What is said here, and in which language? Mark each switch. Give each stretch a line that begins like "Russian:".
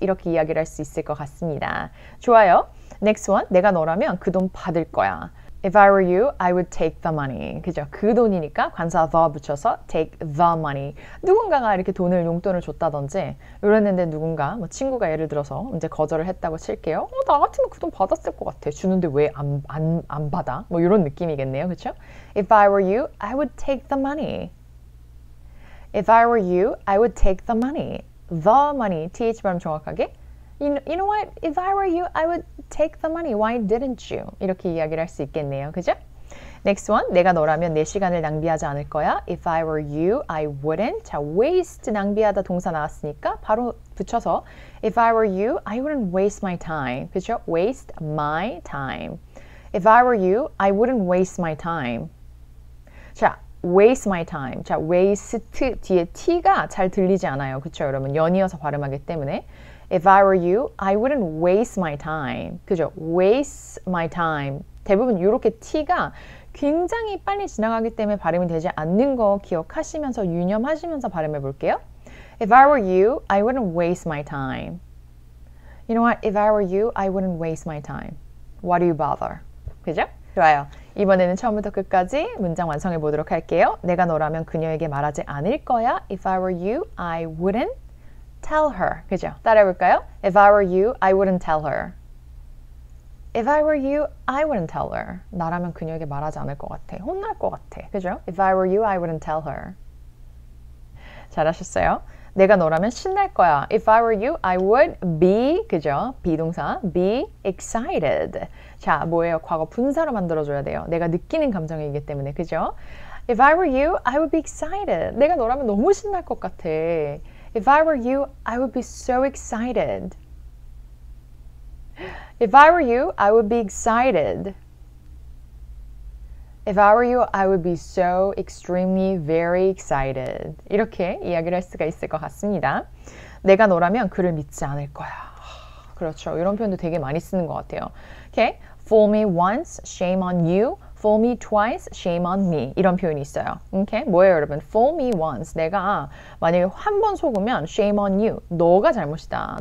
Korean: 이렇게 이야기를 할 수 있을 것 같습니다. 좋아요. Next one. 내가 너라면 그 돈 받을 거야.
English: If I were you, I would take the money.
Korean: 그죠? 그 돈이니까 관사 the 붙여서
English: take the money.
Korean: 누군가가 이렇게 돈을 용돈을 줬다든지 이랬는데 누군가, 뭐 친구가 예를 들어서 이제 거절을 했다고 칠게요. 어, 나 같으면 그 돈 받았을 것 같아. 주는데 왜 안 받아? 뭐 이런 느낌이겠네요. 그쵸?
English: If I were you, I would take the money. If I were you, I would take the money. The money.
Korean: TH 발음 정확하게.
English: You know what? If I were you, I would take the money. Why didn't you?
Korean: 이렇게 이야기를 할 수 있겠네요. 그죠? Next one. 내가 너라면 내 시간을 낭비하지 않을 거야.
English: If I were you, I wouldn't. 자, waste
Korean: 낭비하다 동사 나왔으니까 바로 붙여서
English: If I were you, I wouldn't waste my time.
Korean: 그죠?
English: Waste my time. If I were you, I wouldn't waste my time.
Korean: 자,
English: waste my time.
Korean: 자, waste 뒤에 t가 잘 들리지 않아요. 그렇죠, 여러분? 연이어서 발음하기 때문에
English: If I were you, I wouldn't waste my time.
Korean: 그죠?
English: Waste my time.
Korean: 대부분 이렇게 T가 굉장히 빨리 지나가기 때문에 발음이 되지 않는 거 기억하시면서 유념하시면서 발음해 볼게요.
English: If I were you, I wouldn't waste my time. You know what? If I were you, I wouldn't waste my time. Why do you bother?
Korean: 그죠? 좋아요. 이번에는 처음부터 끝까지 문장 완성해 보도록 할게요. 내가 너라면 그녀에게 말하지 않을 거야.
English: If I were you, I wouldn't. Tell her.
Korean: 그죠? 따라해볼까요?
English: If I were you, I wouldn't tell her. If I were you, I wouldn't tell her.
Korean: 나라면 그녀에게 말하지 않을 것 같아. 혼날 것 같아. 그죠?
English: If I were you, I wouldn't tell her.
Korean: 잘하셨어요. 내가 너라면 신날 거야.
English: If I were you, I would be,
Korean: 그죠? be 동사,
English: be excited.
Korean: 자, 뭐예요? 과거 분사로 만들어줘야 돼요. 내가 느끼는 감정이기 때문에, 그죠?
English: If I were you, I would be excited.
Korean: 내가 너라면 너무 신날 것 같아.
English: If I were you, I would be so excited. If I were you, I would be excited. If I were you, I would be so extremely very excited.
Korean: 이렇게 이야기를 할 수가 있을 것 같습니다. 내가 너라면 그를 믿지 않을 거야. 그렇죠. 이런 표현도 되게 많이 쓰는 것 같아요.
English: Okay? Fool me once, shame on you. Fool me twice, shame on me.
Korean: 이런 표현이 있어요.
English: Okay?
Korean: 뭐예요, 여러분?
English: Fool me once.
Korean: 내가 만약에 한 번 속으면
English: shame on you.
Korean: 너가 잘못이다.